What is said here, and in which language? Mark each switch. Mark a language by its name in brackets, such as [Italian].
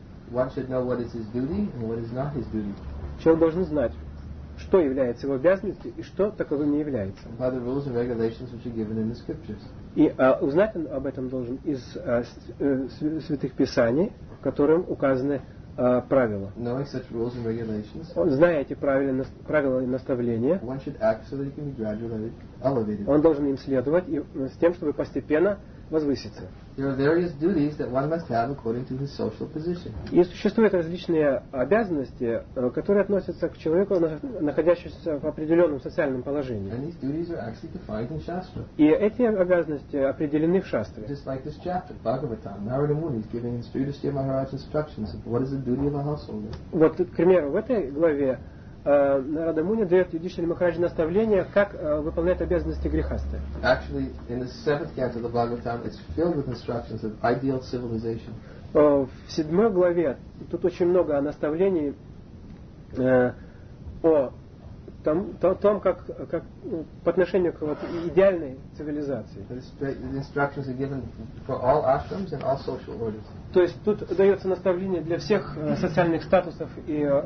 [English] One should know what is his duty and what is not his duty. [Russian] Человек должен знать, что является его обязанностью и что таковым не является. [English] By the rules and regulations which are given in the scriptures. [Russian] И узнать он об этом должен из святых писаний, в котором указаны правила. [English] Knowing such rules and regulations. [Russian] Он зная эти правила и наставления. [English] One should act so that he can be gradually elevated. [Russian] Он должен им следовать и с тем, чтобы постепенно возвыситься. [English] There are various duties that one must have according to his social position. [Russian] И существуют различные обязанности, которые относятся к человеку, находящемуся в определенном социальном положении. [English] And these duties are actually defined in Shastra. [Russian] И эти обязанности определены в Шастре. [English] Just like this chapter, Bhagavatam, Narada Muni is giving his Yudhishthira Maharaj instructions of what is the duty of a householder. [Russian] Вот, к примеру, в этой главе Нарада Муни дает Юдишвили Махараджи наставление, как выполнять обязанности грехасты. [English] Actually, in the seventh canto of the Bhagavatam, it's filled with instructions of ideal civilization. [Russian] В седьмой главе тут очень много наставлений о том, как по отношению к вот идеальной цивилизации. [English] The instructions are given for all ashrams and all social orders. [Russian] То есть тут дается наставление для всех социальных статусов и